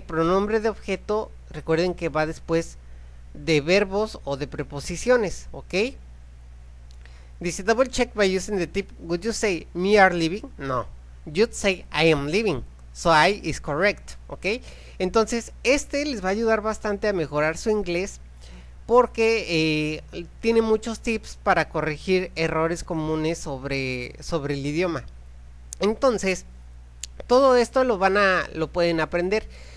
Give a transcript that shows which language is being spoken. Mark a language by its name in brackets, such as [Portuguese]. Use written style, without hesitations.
[Spanish] Pronombre de objeto, recuerden que va después de verbos o de preposiciones, ¿ok? [English] Dice, double check by using the tip, would you say me are leaving? No, you'd say I am leaving, so I is correct, ¿ok? [Spanish] Entonces, este les va a ayudar bastante a mejorar su inglés, porque tiene muchos tips para corregir errores comunes sobre el idioma. Entonces, todo esto lo pueden aprender.